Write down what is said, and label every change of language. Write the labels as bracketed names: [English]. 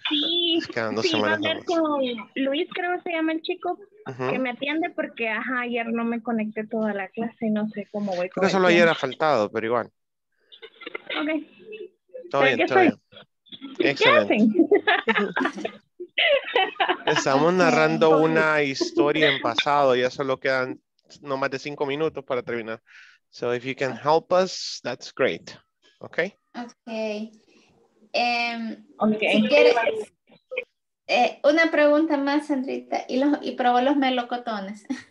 [Spanish] Sí, sí, va a hablar con Luis, creo que se llama el chico, que me atiende porque ajá, ayer no me conecté toda la clase, no sé cómo voy. Creo que solo ayer ha faltado, pero igual. Ok. Todo bien. Excelente. Estamos narrando una historia en pasado, ya solo quedan no más de 5 minutos para terminar. [English] So if you can help us, that's great. Okay. Okay. Okay. [Spanish] Si quieres, una pregunta más, Sandrita, y probó los melocotones.